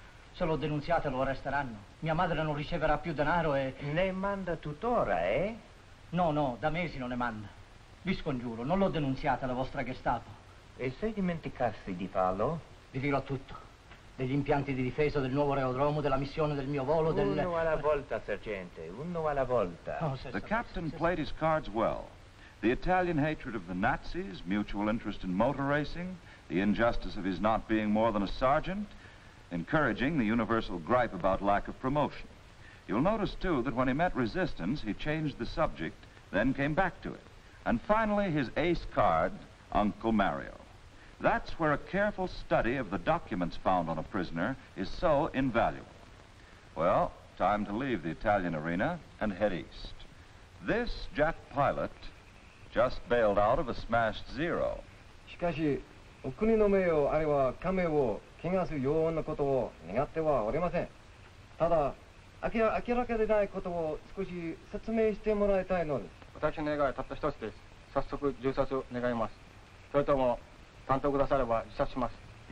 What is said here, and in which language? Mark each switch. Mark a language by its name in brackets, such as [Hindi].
[Italian] Se lo denunziate lo arresteranno. Mia madre non riceverà più denaro e... Ne manda tuttora, eh? No, no, da mesi non ne manda. Vi scongiuro, non l'ho denunziata la vostra Gestapo. E se dimenticassi di farlo? Vi dirò tutto. Degli impianti di difesa del nuovo aerodromo, della missione del mio volo, del... Uno alla volta, sergente, uno alla volta. [English] Oh, se the captain played his cards well. The Italian hatred of the Nazis, mutual interest in motor racing, the injustice of his not being more than a sergeant, encouraging the universal gripe about lack of promotion. You'll notice, too, that when he met resistance, he changed the subject, then came back to it. And finally, his ace card, Uncle Mario. That's where a careful study of the documents found on a prisoner is so invaluable. Well, time to leave the Italian arena and head east. This Jack Pilot just bailed out of a smashed Zero. [Japanese] しかし、お国の名誉あるいは家名を汚すようなことを願ってはおりません。ただ、明らかでないことを少し説明してもらいたいのです。私の願いはたった一つです。早速、銃殺を願います。それとも、担当くだされば自殺します。